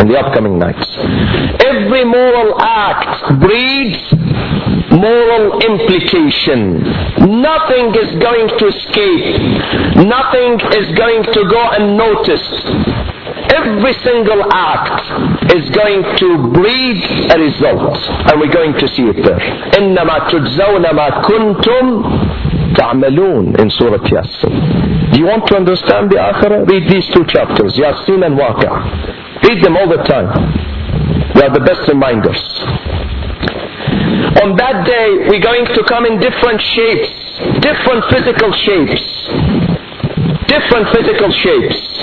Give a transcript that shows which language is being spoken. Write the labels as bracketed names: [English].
[English] In the upcoming nights, every moral act breeds moral implication. Nothing is going to escape. Nothing is going to go unnoticed. Every single act is going to breed a result, and we're going to see it there. [Arabic] إِنَّمَا تُجْزَوْنَ مَا كُنْتُمْ تَعْمَلُونَ [English] in Surah Yasin. Do you want to understand the Akhirah? Read these two chapters, Yasin and Waqa. Read them all the time. They are the best reminders. On that day, we're going to come in different shapes, different physical shapes, different physical shapes.